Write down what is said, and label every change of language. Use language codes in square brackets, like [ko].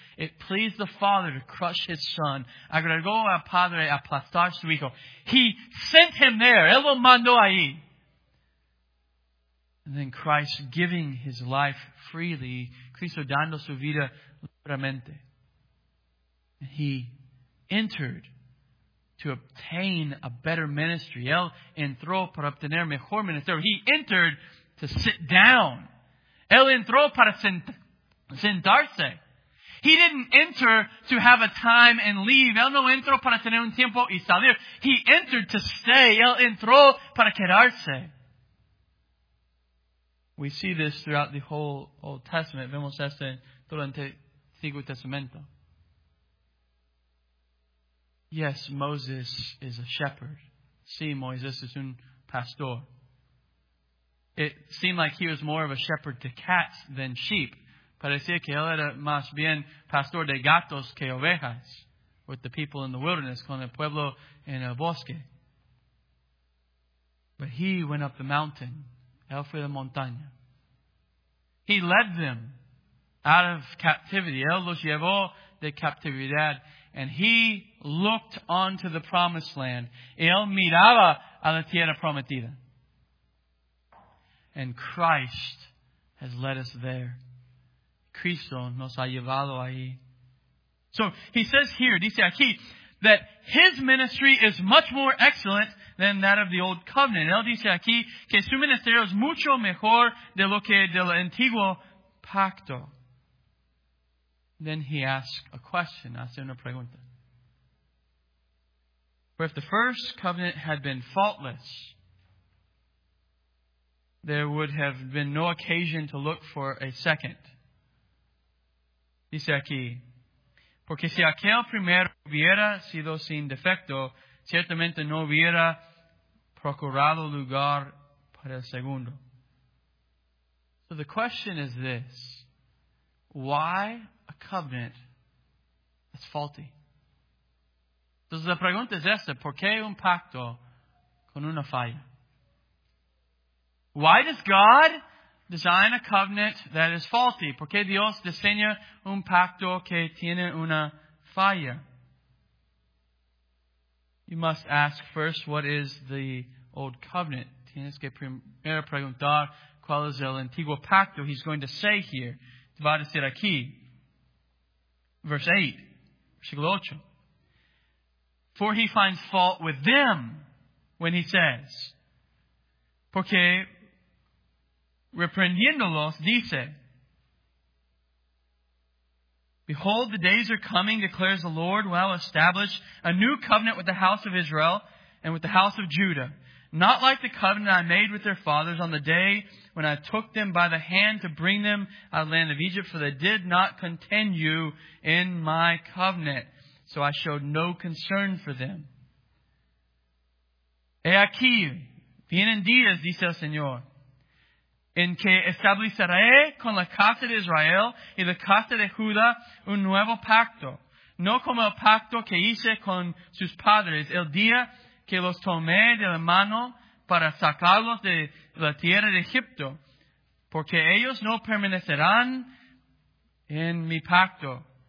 [en] It pleased the Father to crush His Son. [es] Agregó al Padre aplastar su Hijo. [en] He sent Him there. [es] Él lo mandó ahí. [en] And then Christ giving His life freely. [es] Cristo dando su vida libremente. [en] He entered to obtain a better ministry. [es] Él entró para obtener mejor ministerio. [en] He entered to sit down. [es] Él entró para sentarse. [en] He didn't enter to have a time and leave. [es] Él no entró para tener un tiempo y salir. [en] He entered to stay. [es] Él entró para quedarse. [en] We see this throughout the whole Old Testament. [es] Vemos esto durante el Antiguo Testamento. [en] Yes, Moses is a shepherd. [es] Sí, Moisés es un pastor. [en] It seemed like he was more of a shepherd to cats than sheep. [es] Parecía que él era más bien pastor de gatos que ovejas [en] with the people in the wilderness, [es] con el pueblo en el bosque. [en] But he went up the mountain. [es] Él fue la montaña. [en] He led them out of captivity. [es] Él los llevó de captividad. [en] And he looked onto the promised land. [es] Él miraba a la tierra prometida. [en] And Christ has led us there. [es] Cristo nos ha llevado ahí. [en] So he says here, [es] dice aquí, [en] that his ministry is much more excellent than that of the old covenant. [es] Él dice aquí que su ministerio es mucho mejor de lo que del antiguo pacto. [en] Then he asks a question. [es] Hace una pregunta. [en] For if the first covenant had been faultless, there would have been no occasion to look for a second. [es] Dice aquí, porque si aquel primero hubiera sido sin defecto, ciertamente no hubiera procurado lugar para el segundo. [en] So the question is this. why a covenant is faulty. [es] Entonces la pregunta es esta, ¿por qué un pacto con una falla? [en] Why does God design a covenant that is faulty? [es] ¿Por qué Dios diseña un pacto que tiene una falla? [en] You must ask first, what is the old covenant? [es] Tienes que primero preguntar, ¿cuál es el antiguo pacto? [en] He's going to say here. [es] Te va a decir aquí. [en] Verse 8. [es] Versículo 8. [en] For he finds fault with them when he says, [es] porque reprendiéndolos dice, [en] behold, the days are coming, declares the Lord, when I will establish a new covenant with the house of Israel and with the house of Judah. Not like the covenant I made with their fathers on the day when I took them by the hand to bring them out of the land of Egypt, for they did not continue in my covenant. So I showed no concern for them. [es] He aquí, vienen días, dice el Señor, en que estableceré con la casa de Israel y la casa de Judá un nuevo pacto. No como el pacto que hice con sus padres, el día que los tomé de la mano para sacarlos de la tierra de Egipto, porque ellos no permanecerán en mi pacto.